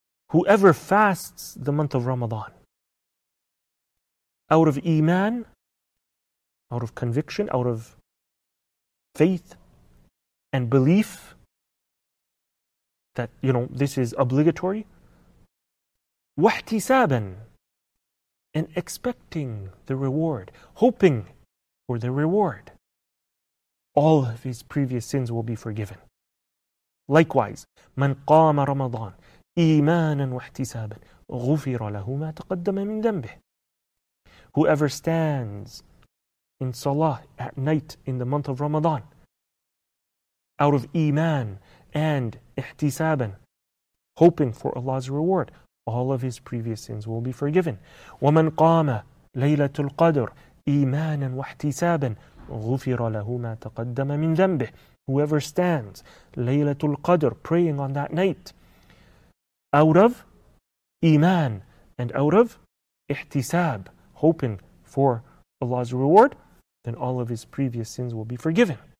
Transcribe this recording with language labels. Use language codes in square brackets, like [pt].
[en] Whoever fasts the month of Ramadan out of iman, out of conviction, out of faith and belief that, you know, this is obligatory, [ar] وَاحْتِسَابًا, [en] and expecting the reward, hoping for the reward, all of his previous sins will be forgiven. Likewise, [ar] من قام رمضان إيمانا واحتسابا غفر له ما تقدم من ذنبه. [en] Whoever stands in salah at night in the month of Ramadan out of iman and [ar] احتسابا, [en] hoping for Allah's reward, all of his previous sins will be forgiven. [ar] ومن قام ليلة القدر إيمانا واحتسابا غُفِرَ لَهُ مَا تَقَدَّمَ مِنْ ذَنْبِهِ. [en] Whoever stands Laylatul Qadr, praying on that night, out of iman and out of ihtisab, hoping for Allah's reward, then all of his previous sins will be forgiven.